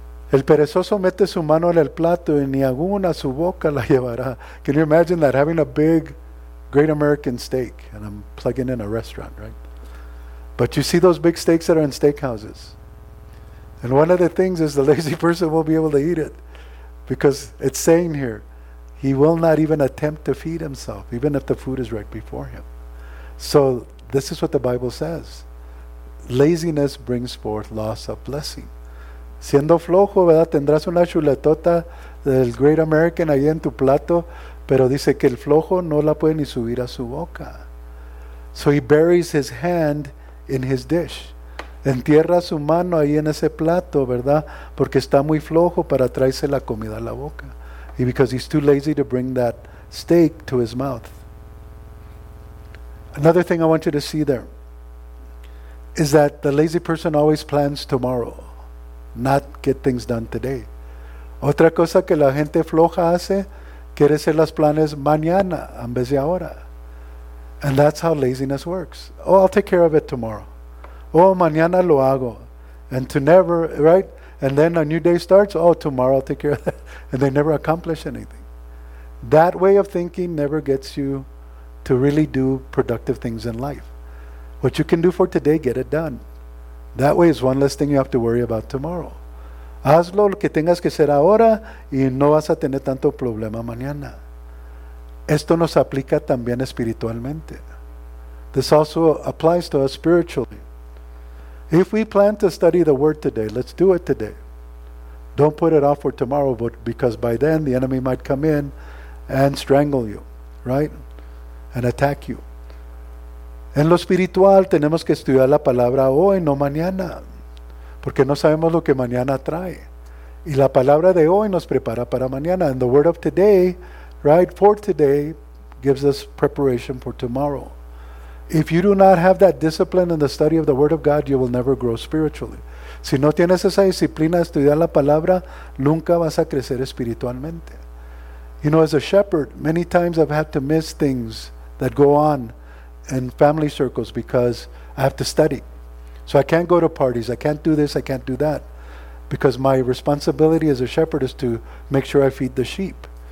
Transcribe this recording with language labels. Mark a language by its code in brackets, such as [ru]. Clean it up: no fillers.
[es] El perezoso mete su mano en el plato y ni aún a su boca la llevará. [en] Can you imagine that? Having a big, great American steak. And I'm plugging in a restaurant, right? But you see those big steaks that are in steakhouses. And one of the things is the lazy person won't be able to eat it. Because it's saying here, he will not even attempt to feed himself, even if the food is right before him. So this is what the Bible says. Laziness brings forth loss of blessing. [es] Siendo flojo, ¿verdad?, tendrás una chuletota del Great American ahí en tu plato, pero dice que el flojo no la puede ni subir a su boca. [en] So he buries his hand in his dish. [es] Entierra su mano ahí en ese plato, ¿verdad?, porque está muy flojo para traerse la comida a la boca. [en] Y because he's too lazy to bring that steak to his mouth. Another thing I want you to see there is that the lazy person always plans tomorrow, not get things done today. [es] Otra cosa que la gente floja hace, quiere hacer los planes mañana en vez de ahora. [en] And that's how laziness works. Oh, I'll take care of it tomorrow. Oh, [es] mañana lo hago. [en] And to never, right? And then a new day starts. Oh, tomorrow I'll take care of that. And they never accomplish anything. That way of thinking never gets you to really do productive things in life. What you can do for today, get it done. That way is one less thing you have to worry about tomorrow. [es] Haz lo que tengas que hacer ahora y no vas a tener tanto problema mañana. Esto nos aplica también espiritualmente. [en] This also applies to us spiritually. If we plan to study the word today, let's do it today. Don't put it off for tomorrow, but because by then the enemy might come in and strangle you, right? And attack you. [es] En lo espiritual, tenemos que estudiar la palabra hoy, no mañana. Porque no sabemos lo que mañana trae. Y la palabra de hoy nos prepara para mañana. [en] And the word of today, right, for today, gives us preparation for tomorrow. If you do not have that discipline in the study of the word of God, you will never grow spiritually. [es] Si no tienes esa disciplina de estudiar la palabra, nunca vas a crecer espiritualmente. [en] You know, as a shepherd, many times I've had to miss things that go on in family circles because I have to study. So I can't go to parties, I can't do this, I can't do that. Because my responsibility as a shepherd is to make sure I feed the sheep.